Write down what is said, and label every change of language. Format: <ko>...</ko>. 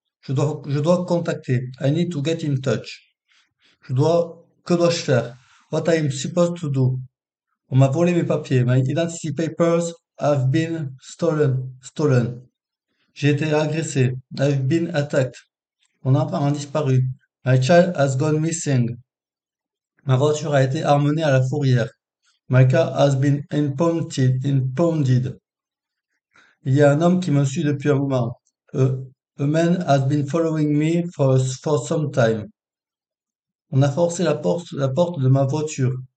<fr>Je dois contacter.</fr> <en>I need to get in touch.</en> <fr>Que dois-je faire?</fr> <en>What I'm supposed to do?</en> <fr>On m'a volé mes papiers.</fr> <en>My identity papers have been stolen.</en> <fr>J'ai été agressé.</fr> <en>I've been attacked.</en> <fr>Mon enfant a disparu.</fr> <en>My child has gone missing.</en> <fr>Ma voiture a été emmenée à la fourrière.</fr> <en>My car has been impounded.</en> <fr>Il y a un homme qui me suit depuis un moment.</fr> <en>A man has been following me for some time.</en> <fr>On a forcé la porte de ma voiture.</fr>